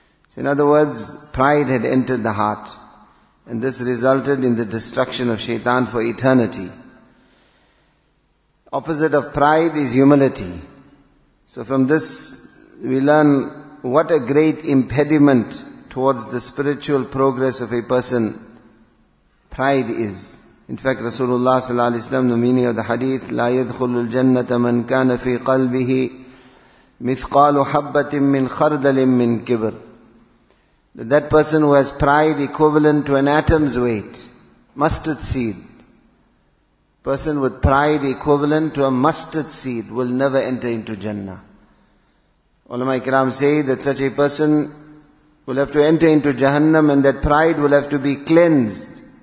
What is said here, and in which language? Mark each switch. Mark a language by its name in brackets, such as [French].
[English] So in other words, pride had entered the heart, and this resulted in the destruction of Shaitan for eternity. Opposite of pride is humility. So from this we learn what a great impediment towards the spiritual progress of a person pride is. [Arabic] In fact, Rasulullah sallallahu alaihi wasallam, the meaning of the hadith, لا يدخل الجنة من كان في قلبه مثقال حبة من خردل من كبر. [English] That person who has pride equivalent to an atom's weight, mustard seed, person with pride equivalent to a mustard seed will never enter into Jannah. Ulama ikram say that such a person will have to enter into Jahannam, and that pride will have to be cleansed.